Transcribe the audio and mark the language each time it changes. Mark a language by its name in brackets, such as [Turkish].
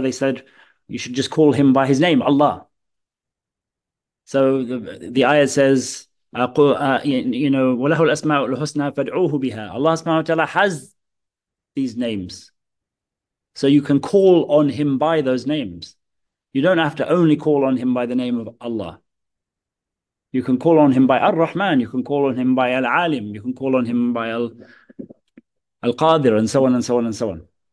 [English] They said, you should just call him by his name, Allah. So the ayah says, [Arabic] وَلَهُ الْأَسْمَاءُ الْحُسْنَى فَادْعُوهُ بِهَا. [English] Allah subhanahu wa ta'ala has these names. So you can call on him by those names. You don't have to only call on him by the name of Allah. You can call on him by Ar-Rahman. You can call on him by Al-Alim. You can call on him by Al-Qadir, and so on and so on and so on.